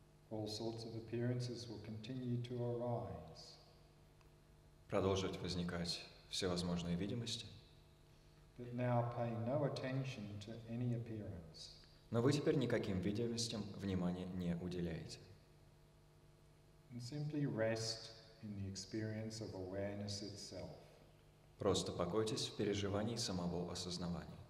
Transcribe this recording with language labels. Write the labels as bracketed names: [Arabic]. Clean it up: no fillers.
[English] All sorts of appearances will continue to arise. [Russian] Продолжат возникать всевозможные видимости. [English] But now pay no attention to any appearance. [Russian] Но вы теперь никаким видимостям внимания не уделяете. [English] And simply rest in the experience of awareness itself. [Russian] Просто покойтесь в переживании самого осознавания.